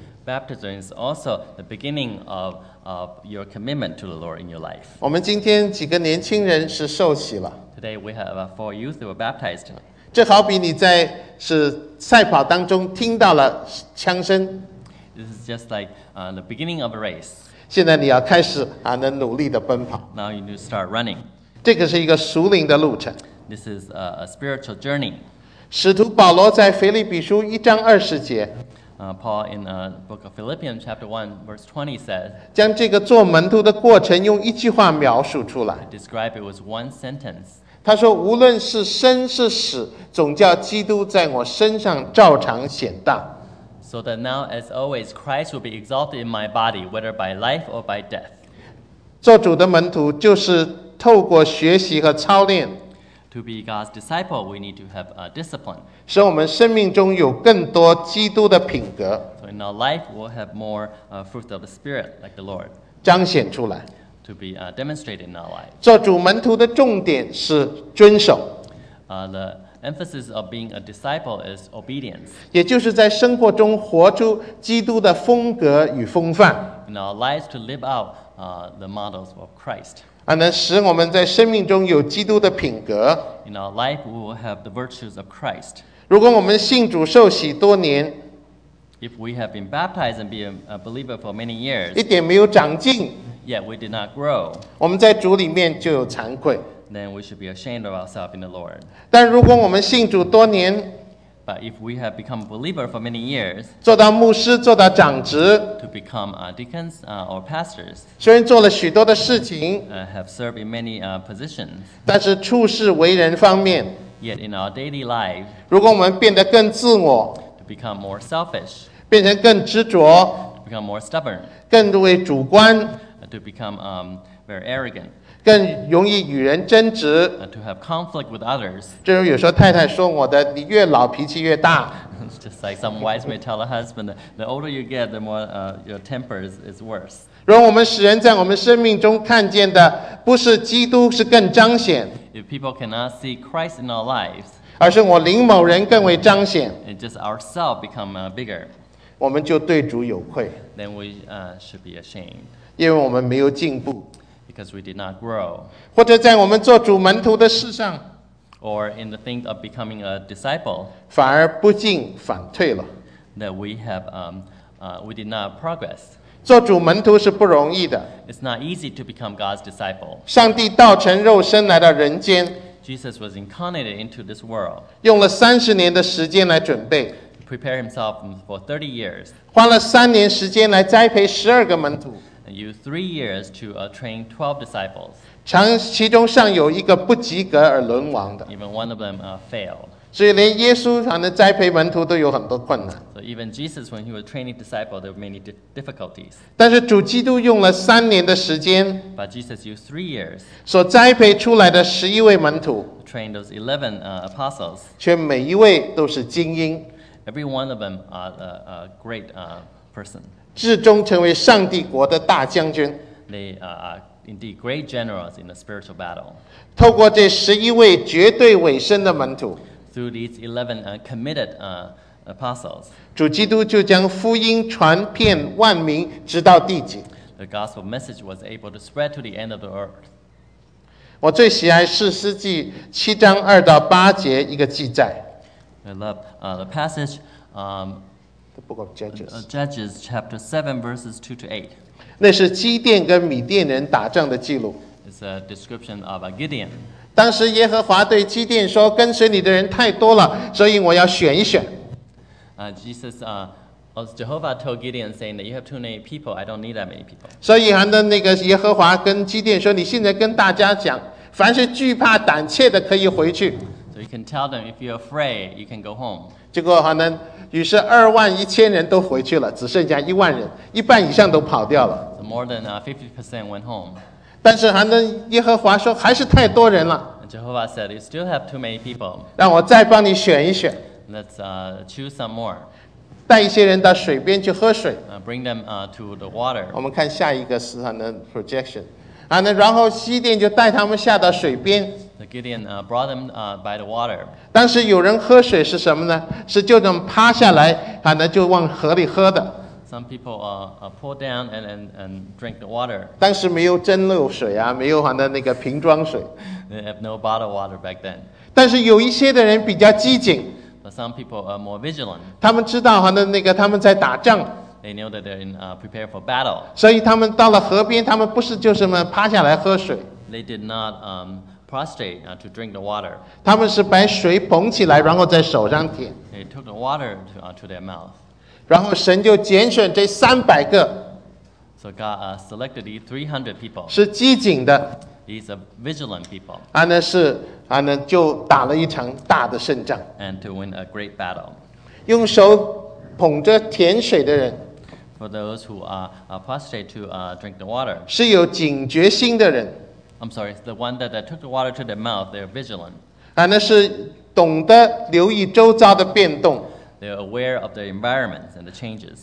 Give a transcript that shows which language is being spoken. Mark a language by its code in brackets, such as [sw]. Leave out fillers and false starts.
[en] Baptism is also the beginning of your commitment to the Lord in your life. [zh] 我们今天几个年轻人是受洗了。 [en] Today we have four youth who were baptized. [zh] 这好比你在是赛跑当中听到了枪声。 [en] This is just like the beginning of a race. [zh] 现在你要开始能努力的奔跑。 [en] Now you need to start running. [zh] 这个是一个属灵的路程。 [en] This is a spiritual journey. [zh] 使徒保罗在腓立比书一章二十节。 [en] Paul in the book of Philippians chapter 1 verse 20 says, [zh] 将这个做门徒的过程用一句话描述出来。 [en] Describe it with one sentence. [zh] 他说无论是生是死总叫基督在我身上照常显大。 [en] So that now as always Christ will be exalted in my body whether by life or by death. [zh] 做主的门徒就是透过学习和操练。 [en] To be God's disciple, we need to have a discipline. [zh] 使我们生命中有更多基督的品格。 [en] So in our life, we'll have more fruit of the Spirit, like the Lord. [zh] 彰显出来。 [en] To be demonstrated in our life. [zh] 做主门徒的重点是遵守。 [en] The emphasis of being a disciple is obedience. [zh] 也就是在生活中活出基督的风格与风范。 [en] In our lives, to live out the models of Christ. [zh] 能使我们在生命中有基督的品格。 [en] In our life, we will have the virtues of Christ. [zh] 如果我们信主受洗多年， [en] if we have been baptized and been a believer for many years, [zh] 一点没有长进， [en] yet we did not grow, [zh] 我们在主里面就有惭愧。 [en] Then we should be ashamed of ourselves in the Lord. [zh] 但如果我们信主多年， [en] but if we have become a believer for many years, [zh] 做到牧师，做到长职， [en] to become deacons or pastors, [zh] 虽然做了许多的事情， [en] have served in many positions, [zh] 但是处事为人方面， [en] yet in our daily life, [zh] 如果我们变得更自我， [en] to become more selfish, [zh] 变成更执着， [en] to become more stubborn, [zh] 更为主观， [en] to become very arrogant, [zh] 更容易与人争执。 [en] To have conflict with others. [zh] 正如有时候太太说我的，你越老脾气越大。 [en] Just like some wise men tell a husband, the older you get, the more your temper is worse. [zh] 若我们使人在我们生命中看见的不是基督，是更彰显。 [en] If people cannot see Christ in our lives, [zh] 而是我林某人更为彰显。 [en] It just ourselves become bigger. [zh] 我们就对主有愧。 [en] Then we should be ashamed. [zh] 因为我们没有进步。 [en] Because we did not grow. [zh] 或者在我们做主门徒的事上， [en] or in the thing of becoming a disciple, [zh] 反而不进反退了。 [en] That we have, we did not progress. [zh] 做主门徒是不容易的。 [en] It's not easy to become God's disciple. [zh] 上帝道成肉身来到人间， [en] Jesus was incarnated into this world. [zh] 用了三十年的时间来准备。 [en] To prepare himself for 30 years. [zh] 花了三年时间来栽培十二个门徒。 [en] And use 3 years to train 12 disciples. [zh] 其中尚有一个不及格而沦亡的。 [en] Even one of them failed. [zh] 所以连耶稣还能栽培门徒都有很多困难。 [en] So even Jesus, when he was training disciples, there were many difficulties. [zh] 但是主基督用了三年的时间。 [en] But Jesus used 3 years. [zh] 所栽培出来的十一位门徒。 [en] Trained those 11 apostles. [zh] 却每一位都是精英。 [en] Every one of them are a great person. [zh] 至终成为上帝国的大将军。 [en] They are indeed great generals in the spiritual battle. [zh] 透过这十一位绝对委身的门徒， [en] through these 11 committed apostles, [zh] 主基督就将福音传遍万民，直到地极。 [en] The gospel message was able to spread to the end of the earth. [zh] 我最喜爱士师记七章二到八节一个记载。 [en] I love the passage. The book of Judges chapter 7 verses 2 to 8. [zh] 那是基甸跟米甸人打仗的记录。 [en] It's a description of a Gideon. [zh] 当时耶和华对基甸说跟随你的人太多了所以我要选一选。 [en] Jesus, Jehovah told Gideon saying that you have too many people, I don't need that many people. [zh] 所以那个耶和华跟基甸说你现在跟大家讲凡是惧怕胆怯的可以回去。 [en] So you can tell them if you're afraid, you can go home. [zh] 结果还能于是二万一千人都回去了，只剩下一万人，一半以上都跑掉了。 [en] So more than 50% went home. [zh] 但是还能耶和华说还是太多人了。 [en] Jehovah said, "You still have too many people." [zh] 让我再帮你选一选。 [en] Let's choose some more. [zh] 带一些人到水边去喝水。 [en] Bring them to the water. [zh] 我们看下一个是还能 projection， 还能然后基甸就带他们下到水边。 [en] The Gideon brought them by the water. [zh] 当时有人喝水是什么呢？是就这么趴下来，反正就往河里喝的。 [en] Some people pull down and drink the water. [zh] 当时没有蒸馏水啊，没有反正那个瓶装水。 [en] They have no bottled water back then. [zh] 但是有一些的人比较机警。 [en] But some people are more vigilant. [zh] 他们知道反正那个他们在打仗。 [en] They know that they're prepared for battle. [zh] 所以他们到了河边，他们不是就这么趴下来喝水。 [en] They did not prostrate to drink the water. [zh] 他们是把水捧起来，然后在手上舔。 [en] They took the water to their mouth. [zh] 然后神就拣选这300个。 [en] So God selected these 300 people. [zh] 是机警的。 [en] He's a vigilant people. [zh] 安呢就打了一场大的胜仗。 [en] And to win a great battle. [zh] 用手捧着甜水的人。 [en] For those who are prostrate to drink the water. [zh] 是有警觉心的人。 [en] I'm sorry, the one that took the water to their mouth, they're vigilant. [zh] 安呢是懂得留意周遭的变动。 [en] They're aware of the environment and the changes.